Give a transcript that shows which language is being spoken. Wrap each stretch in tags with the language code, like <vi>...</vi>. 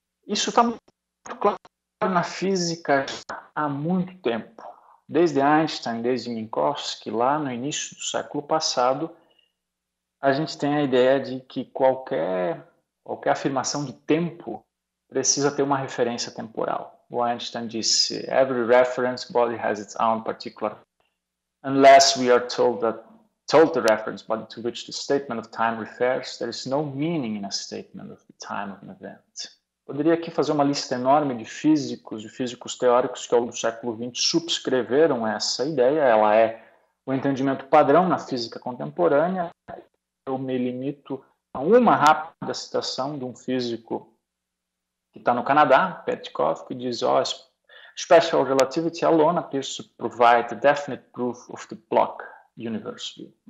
<pt>Isso está muito claro na física há muito tempo. Desde Einstein, desde Minkowski, lá no início do século passado, a gente tem a ideia de que qualquer afirmação de tempo precisa ter uma referência temporal. O Einstein disse:</pt> <en>"Every reference body has its own particular, unless we are told the reference body to which the statement of time refers, there is no meaning in a statement of the time of an event."</en> <pt>Poderia aqui fazer uma lista enorme de físicos teóricos que ao longo do século XX subscreveram essa ideia. Ela é o entendimento padrão na física contemporânea. Eu me limito a uma rápida citação de um físico que está no Canadá, Petkoff, que diz:</pt> <en>"Oh, special relativity alone appears to provide definite proof of the block universe."</en>